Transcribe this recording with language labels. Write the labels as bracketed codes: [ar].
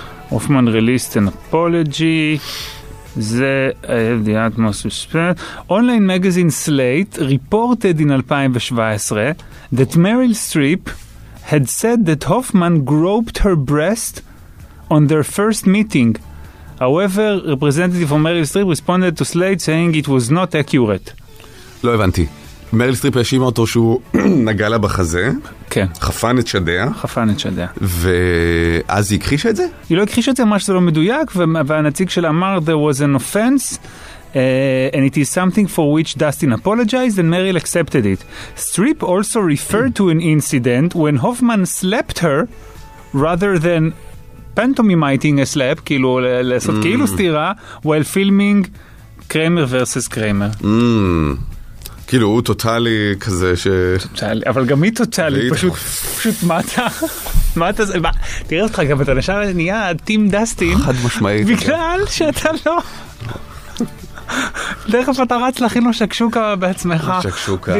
[en] Hoffman released an apology. The online magazine Slate reported in 2017 that Meryl Streep had said that Hoffman groped her breast on their first meeting. However, representative from Meryl Streep responded to Slate saying it was not accurate. [he] לא הבנתי. מריל סטריפ האשימה אותו שהוא נגע לה בחזה. כן. חפן את שדיה. חפן את שדיה. ואז היא הכחישה את זה? היא לא הכחישה את זה, מה שזה לא מדויק, והנציג שלה אמר, [en] there was an offense, and it is something for which Dustin apologized, and מריל accepted it. סטריפ also referred to an incident when Hoffman slapped her, rather than pantomimizing a slap, [he] כאילו לעשות כאילו סתירה, [en] while filming קריימר versus קריימר. [he] כאילו הוא טוטלי כזה ש... טוטלי, אבל גם היא טוטלי, פשוט מטה, מטה זה, תראה אותך גם, אתה נשאר נהיה טים דסטין. חד משמעית. בגלל שאתה לא... דרך אתה רץ להכין לו שקשוקה בעצמך. שקשוקה.